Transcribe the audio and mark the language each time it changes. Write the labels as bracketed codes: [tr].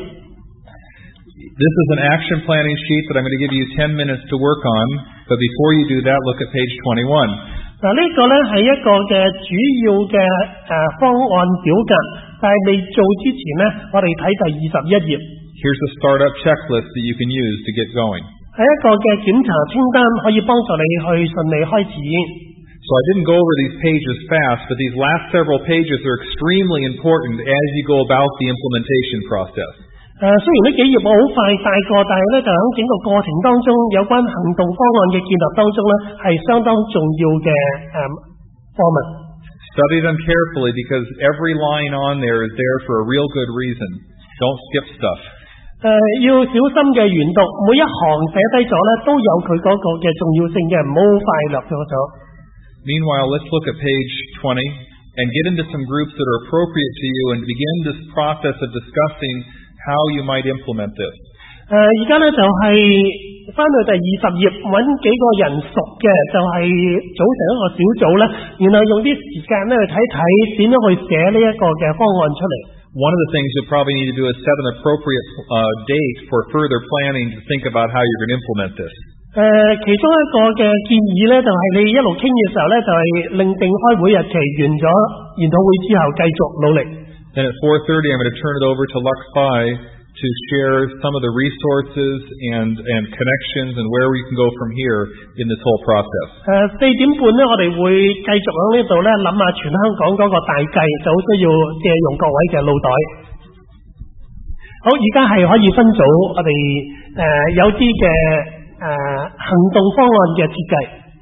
[en] This is an action planning sheet that I'm going to give you 10 minutes to work on. But before you do that, look at page 21. [zh] 这个呢是一个的主要的方案表格，但是未做之前呢，我们看第21页。 [en] Here's a startup checklist that you can use to get going. [zh] 是一个的检查清单，可以帮助你去顺利开始。 [en] So I didn't go over these pages fast, but these last several pages are extremely important as you go about the implementation process. [zh] 虽然这几页我很快带过，但是呢就在整个过程当中，有关行动方案的建立当中呢，是相当重要的方面。 [en] Study them carefully because every line on there is there for a real good reason. Don't skip stuff. [zh] 要小心的原读，每一行写低了呢，都有它那个的重要性的，不要快乐了。 [en] Meanwhile, let's look at page 20 and get into some groups that are appropriate to you and begin this process of discussing how you might implement this. [zh] 现在呢就是回到第20页，找几个人熟的，就是组成一个小组呢，然后用一些时间呢去看看怎样去写这个的方案出来。 [en] One of the things you'll probably need to do is set an appropriate date for further planning to think about how you're going to implement this. [zh] 其中一个的建议呢，就是你一路倾的时候呢，就是另定开会日期，完了研讨会之后继续努力。 [en] And at 4:30, I'm going to turn it over to Lux Bai to share some of the resources and connections and where we can go from here in this whole process. [zh] 4:30, 我们会继续在这里想想全香港的大计，就需要借用各位的脑袋。好，现在是可以分组，我们有些的行动方案的设计。